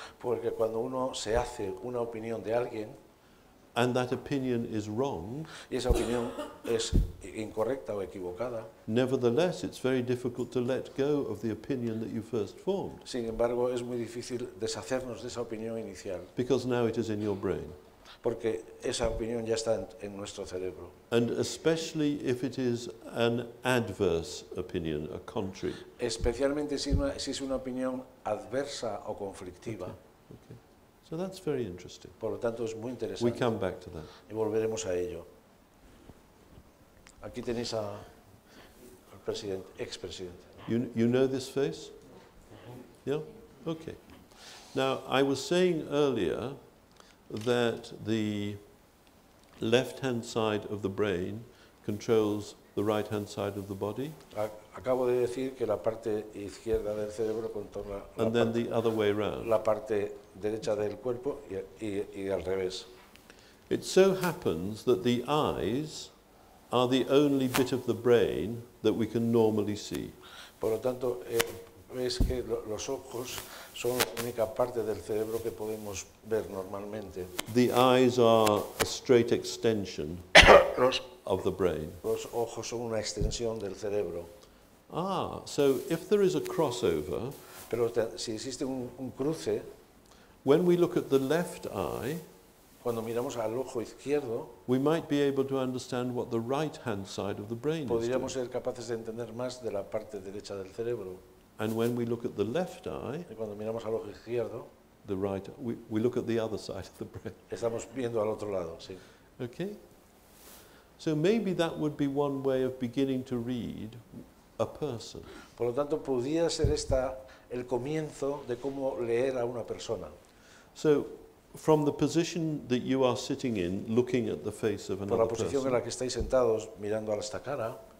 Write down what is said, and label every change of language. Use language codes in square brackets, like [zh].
[es] porque cuando uno se hace una opinión de alguien, [en] and that opinion is wrong, [es] y esa opinión es incorrecta o equivocada, [en] nevertheless, it's very difficult to let go of the opinion that you first formed. [es] Sin embargo, es muy difícil deshacernos de esa opinión inicial. [en] Because now it is in your brain. [es] Porque esa opinión ya está en nuestro cerebro. [en] And especially if it is an adverse opinion, a contrary. [es] Especialmente si es una opinión adversa o conflictiva. [en] Okay. Okay. So that's very interesting. [es] Por lo tanto, es muy interesante. [en] We come back to that. [es] Y volveremos a ello. Aquí tenéis a al presidente, ex-presidente. [en] You know this face? Uh-huh. Yeah? Okay. Now, I was saying earlier that the left-hand side of the brain controls the right-hand side of the body. [es] Acabo de decir que la parte izquierda del cerebro controla [en] and then the other way around. [es] La parte derecha del cuerpo y al revés. [en] It so happens that the eyes are the only bit of the brain that we can normally see. [es] Por lo tanto, es que los ojos son la única parte del cerebro que podemos ver normalmente. [en] The eyes are a straight extension of the brain. [es] Los ojos son una extensión del cerebro. [en] Ah, so if there is a crossover, [es] pero si existe un cruce, [en] when we look at the left eye, [es] cuando miramos al ojo izquierdo, [en] we might be able to understand what the right-hand side of the brain [es] podríamos is. Podríamos ser capaces de entender más de la parte derecha del cerebro. [en] And when we look at the left eye, [es] y cuando miramos al ojo izquierdo, [en] the right, we look at the other side of the brain. [es] Estamos viendo al otro lado, sí. [en] Okay. So maybe that would be one way of beginning to read a person. [es] Por lo tanto, podría ser esta el comienzo de cómo leer a una persona. [en] So, from the position that you are sitting in, looking at the face of another [es] person. Por la posición [en] person, [es] en la que estáis sentados mirando a esta cara.